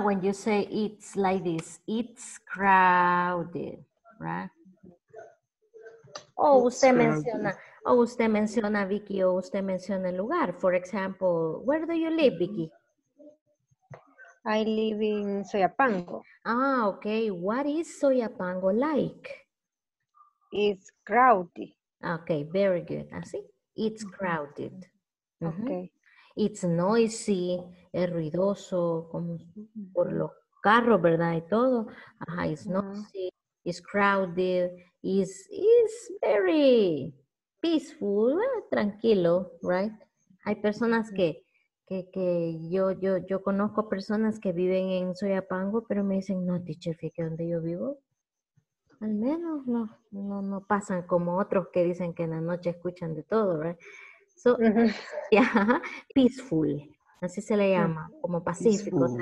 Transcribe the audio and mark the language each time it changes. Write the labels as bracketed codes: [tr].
[en] When you say it's like this, it's crowded, right? [es] Usted menciona, Vicky, o usted menciona el lugar. [en] For example, where do you live, Vicky? I live in Soyapango. Ah, okay. What is Soyapango like? It's crowded. Okay, very good. Así, it's crowded. Mm-hmm. Okay. It's noisy, [es] es ruidoso, como por los carros, ¿verdad? Y todo. [en] Ajá, it's noisy, it's crowded, it's very peaceful, [es] tranquilo, [en] right? [es] Hay personas que yo conozco personas que viven en Soyapango, pero me dicen, no, teacher, fíjate donde yo vivo. Al menos no pasan como otros que dicen que en la noche escuchan de todo, right? [en] So, peaceful, [es] así se le llama, como pacífico, [en] peaceful.